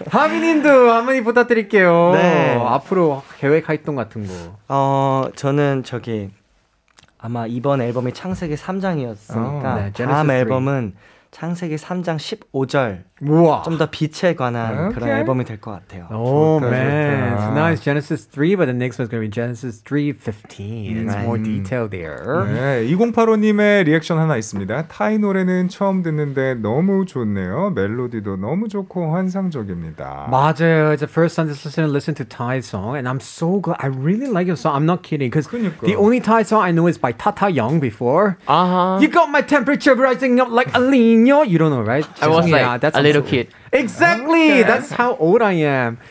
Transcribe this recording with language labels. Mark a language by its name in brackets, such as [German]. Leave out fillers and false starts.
[Korean] 하빈님도 한마디 부탁드릴게요. 네. 앞으로 계획 활동 같은 거. 저는 저기 아마 이번 앨범이 창세기 3장이었으니까 oh, 네. 다음 앨범은 창세기 3장 15절 우와. 좀 더 빛에 관한 okay. 그런 앨범이 될 것 같아요. Oh 좋다, man, 좋다. [English] So now it's Genesis 3, but the next one's gonna be Genesis 3:15. It's right. more detail there. [Korean] 네, 2085님의 리액션 하나 있습니다. 타이 노래는 처음 듣는데 너무 좋네요. 멜로디도 너무 좋고 환상적입니다. 맞아요. [English] It's the first time to listen to Thai song, and I'm so glad. I really like your song. I'm not kidding. Because [Korean] 그러니까. [English] the only Thai song I know is by Tata Young before. Uh-huh. You got my temperature rising up like El Niño. You don't know, right? I was like, that's a little kid. Exactly! Okay. That's how old I am.